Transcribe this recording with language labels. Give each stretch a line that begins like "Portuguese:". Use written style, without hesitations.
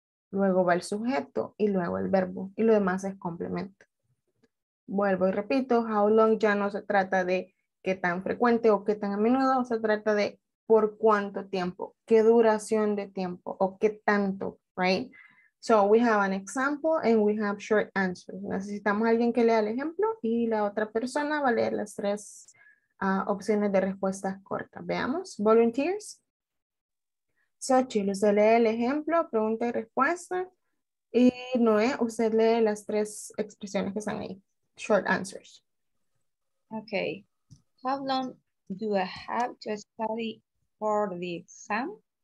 Spanish: Luego va el sujeto y luego el verbo. Y lo demás es complemento. Vuelvo y repito,
English: how long
Spanish: ya no se trata de qué tan frecuente o qué tan a menudo. Se trata de por cuánto tiempo, qué duración de tiempo o qué tanto,
English: right? So we have an example and we have short answers.
Spanish: Necesitamos a alguien que lea el ejemplo y la otra persona va a leer las tres opciones de respuestas cortas. Veamos,
English: volunteers.
Spanish: Xochitl, usted lee el ejemplo, pregunta y respuesta. Y Noé, usted lee las tres expresiones que están ahí.
English: Short answers. Okay. How long do I have to study for the exam?